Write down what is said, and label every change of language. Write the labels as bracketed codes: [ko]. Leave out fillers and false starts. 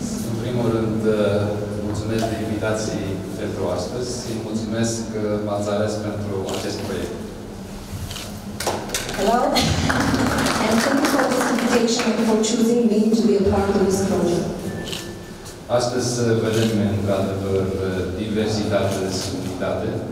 [ro] În primul rând, mulțumesc de invitații pentru astăzi și mulțumesc că m-ați ales pentru acest proiect. [en] Hello, and thank you for this invitation and for choosing me to be a part of this project. [ro] Astăzi vedem, într-adevăr, diversitate de sunitate.